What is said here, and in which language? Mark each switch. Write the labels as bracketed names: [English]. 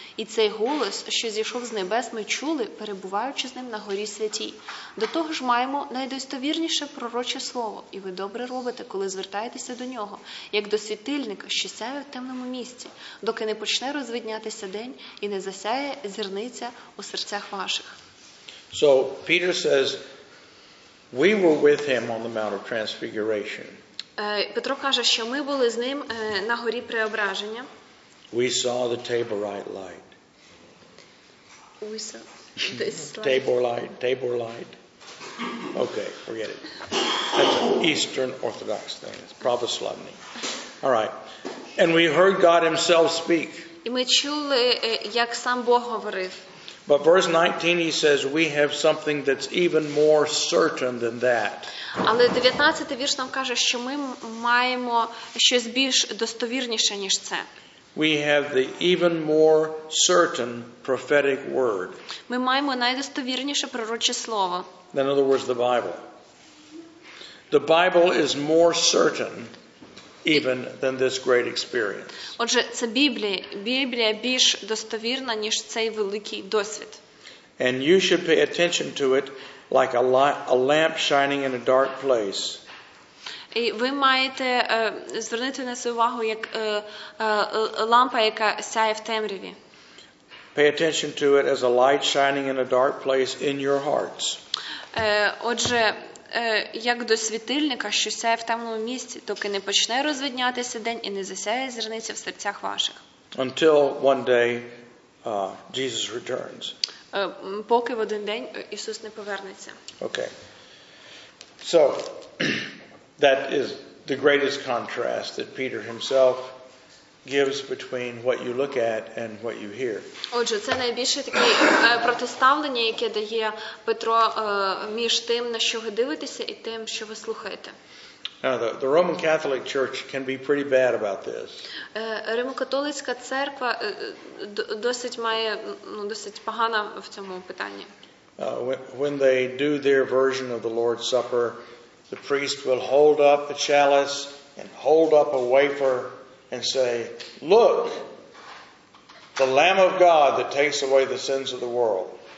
[Ukrainian] І цей голос, що зійшов з небес, ми чули, перебуваючи з ним на горі святій. До того ж маємо найдостовірніше пророче слово, і ви добре робите, коли звертаєтеся до нього, як до світильника, що сяє в темному місці, доки не почне розвиднятися день і не засяє зірниця у серцях ваших. [English] So Peter says, we were with him on the Mount of Transfiguration. [Ukrainian] Петро каже, що ми були з ним на горі Преображення. [English] We saw the Taborite light. We saw this light. Taborite. Okay, forget it. That's an Eastern Orthodox thing. It's Pravoslavny. All right. And we heard God himself speak. [Ukrainian] І ми чули, як сам Бог говорив. [English] But verse 19 he says we have something that's even more certain than that. [Ukrainian] Але 19-й вірш нам каже, що ми маємо щось більш достовірніше, ніж це. [English] We have the even more certain prophetic word. [Ukrainian] Ми маємо найдостовірніше пророче слово. [English] In other words, the Bible. The Bible is more certain even than this great experience. [Ukrainian] Отже, це Біблія. Біблія більш достовірна, ніж цей великий досвід. [English] And you should pay attention to it like a lamp shining in a dark place. [Ukrainian] І ви маєте звернути на це увагу, як лампа, яка сяє в темряві. [English] Pay attention to it as a light shining in a dark place in your hearts. [Ukrainian] Отже, як до світильника, що сяє в темному місці, доки не почне розвиднятися день і не засяє зірниця в серцях ваших. [English] Until one day, Jesus returns. [Ukrainian] Поки в один день Ісус не повернеться. [English] Okay. So, that is the greatest contrast that Peter himself gives between what you look at and what you hear. [Ukrainian] Отже, це найбільше таке протиставлення, яке дає Петро між тим, на що ви дивитеся, і тим, що ви слухаєте. [English] The Roman Catholic Church can be pretty bad about this. [Ukrainian] Римо-католицька церква досить має, ну, досить погана в цьому питанні. [English] When they do their version of the Lord's Supper, the priest will hold up the chalice and hold up a wafer and say, look, the Lamb of God that takes away the sins of the world.